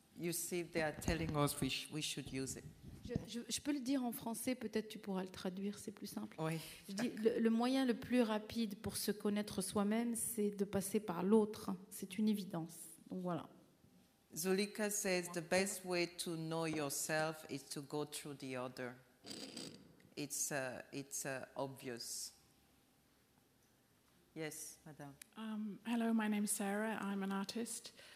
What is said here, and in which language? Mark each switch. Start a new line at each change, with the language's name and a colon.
English: You see, they are telling us we should use it.
French: Je peux le dire en français, peut-être tu pourras le traduire, c'est plus simple. Oui. Je dis, le moyen le plus rapide pour se connaître soi-même, c'est de passer par l'autre. C'est une évidence. Donc voilà.
English: Zulika says the best way to know yourself is to go through the other. It's obvious. Yes, madame. Hello, my name is Sarah. I'm an artist.